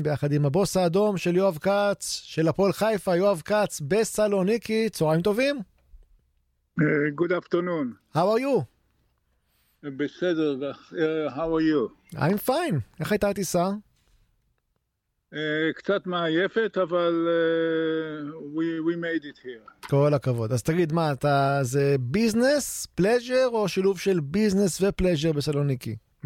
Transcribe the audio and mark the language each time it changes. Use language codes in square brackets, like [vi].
[he] ביחד עם הבוס האדום של יואב כץ, של הפועל חיפה, יואב כץ בסלוניקי. צהריים טובים. [en] Good afternoon. How are you? [he] בסדר, [en] how are you? I'm fine. [he] איך הייתה הטיסה? קצת מעייפת, אבל [en] we made it here. [he] כל הכבוד. אז תגיד, מה, אתה, זה ביזנס, פלז'ר, או שילוב של ביזנס ופלז'ר בסלוניקי?